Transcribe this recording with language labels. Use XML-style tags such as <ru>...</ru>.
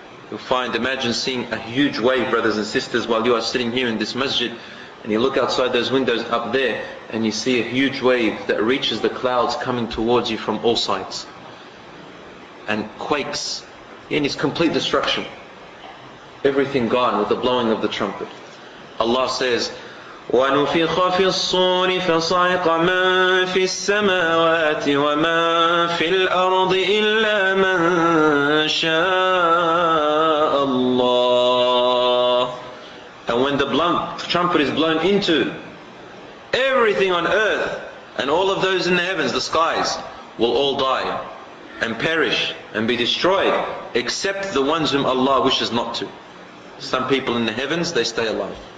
<en>You'll find, imagine seeing a huge wave, brothers and sisters, while you are sitting here in this masjid, and you look outside those windows up there, and you see a huge wave that reaches the clouds coming towards you from all sides. And quakes. And it's complete destruction. Everything gone with the blowing of the trumpet. Allah says,</en> <ar>وَنُفِخَ فِي الصُّورِ فَصَعِقَ مَنْ فِي السَّمَاوَاتِ وَمَنْ فِي الْأَرْضِ إِلَّا مَنْ شَاءَ اللَّهِ.</ar> <en>And when the trumpet is blown into, everything on earth and all of those in the heavens, the skies, will all die and perish and be destroyed, except the ones whom Allah wishes not to. Some people in the heavens, they stay alive.</en>